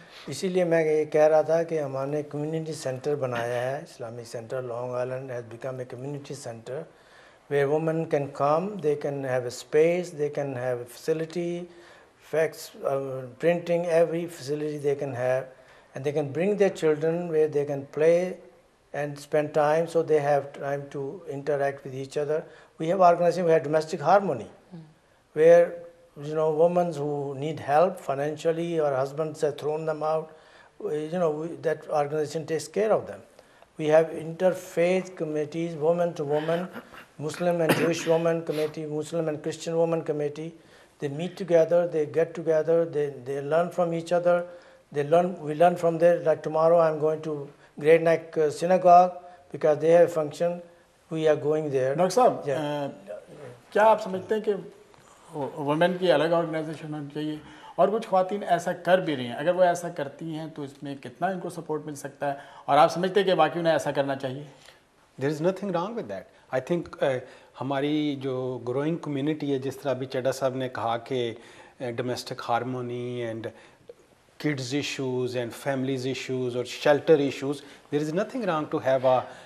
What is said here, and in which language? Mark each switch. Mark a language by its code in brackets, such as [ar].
[hi] इसीलिए मैं ये कह रहा था कि हमने कम्युनिटी सेंटर बनाया है, [en] Islamic centre Long Island has become a community centre where women can come, they can have a space, they can have a facility, fax printing, every facility they can have, and they can bring their children where they can play and spend time, so they have time to interact with each other. We have organizing, we have domestic harmony, where, you know, women who need help financially or husbands have thrown them out, you know, that organization takes care of them. We have interfaith committees, woman to woman, Muslim and Jewish woman committee, Muslim and Christian woman committee. They meet together, they get together, they learn from each other, we learn from there. Like tomorrow I'm going to Great Neck Synagogue, because they have a function, we are going there. Dr. [hi] Saab, क्या आप समझते हैं कि women की अलग organisation होनी चाहिए और कुछ ख्वातीन ऐसा कर भी रही हैं, अगर वो ऐसा करती हैं तो इसमें कितना इनको सपोर्ट मिल सकता है और आप समझते हैं कि बाकी उन्हें ऐसा करना चाहिए? [en] There is nothing wrong with that. I think [hi] हमारी जो growing community है, जिस तरह अभी चड्डा साहब ने कहा कि [en] domestic harmony and kids issues and families issues or shelter issues, there is nothing wrong to have a